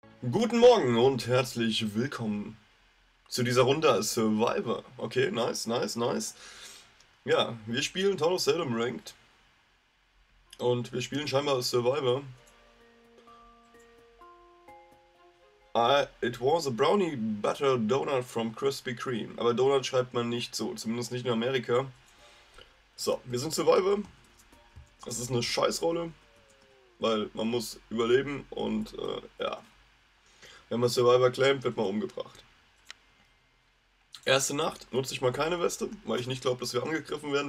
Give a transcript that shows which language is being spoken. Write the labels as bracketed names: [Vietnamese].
[German] Guten Morgen und herzlich willkommen zu dieser Runde Survivor. Okay, nice, nice, nice. Ja, wir spielen Tower of Salem Ranked. Und wir spielen scheinbar Survivor. [English] It was a brownie butter donut from Krispy Kreme. [German] Aber Donut schreibt man nicht so, zumindest nicht in Amerika. So, wir sind Survivor. Das ist eine Scheißrolle, weil man muss überleben und ja. Wenn man Survivor claimt, wird man umgebracht. Erste Nacht nutze ich mal keine Weste, weil ich nicht glaube, dass wir angegriffen werden.